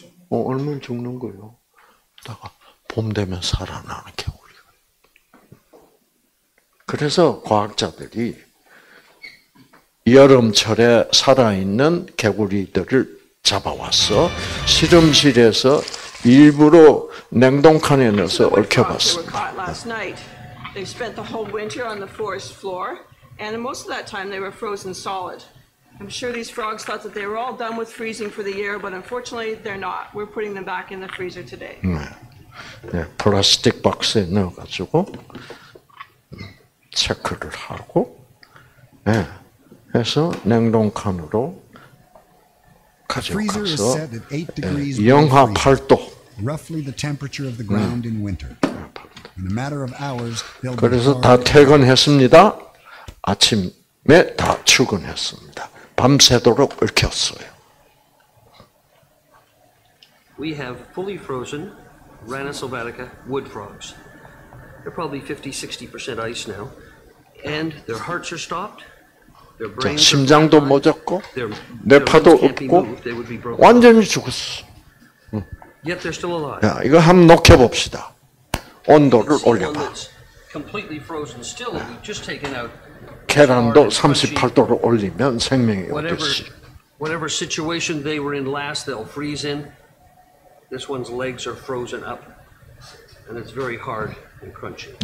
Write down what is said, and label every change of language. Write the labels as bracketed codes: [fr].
[ko] 얼면 죽는 거예요. 봄 되면 살아나는 개구리가. 그래서 과학자들이 여름철에 살아있는 개구리들을 잡아와서 실험실에서 일부러 냉동칸에 넣어서 얽혀봤습니다. [en] Last night, they spent the whole winter on the forest floor, and most of that time they were frozen solid. I'm sure these frogs thought that they were all done with freezing for the year, but unfortunately they're not. We're putting them back in the freezer today. [ko] 네, 플라스틱 박스에 넣어가지고 체크를 하고, 네, 해서 냉동칸으로 가져가서 영하 8도. [en] Roughly the temperature of the ground in winter. In a matter of hours, they'll. [ko] 그래서 다 퇴근했습니다. 아침에 다 출근했습니다. 밤새도록 얽혔어요. [en] We have fully frozen Rana sylvatica wood frogs. They're probably 50-60% ice now. And their hearts are stopped. Their brains [ko] 자, 심장도 [en] are [ko] 멎었고 내 파도 없고 완전히 죽었어. [en] 응. They're still alive. [ko] 야, 이거 한번 녹여 봅시다. 온도를 올려 봐. [en] Completely frozen still. We just taken out [ko] 계란도 38도로 올리면 생명이 없듯이. [en] Whatever situation they were in last, they'll freeze in. This one's legs are frozen up, and it's very hard and crunchy.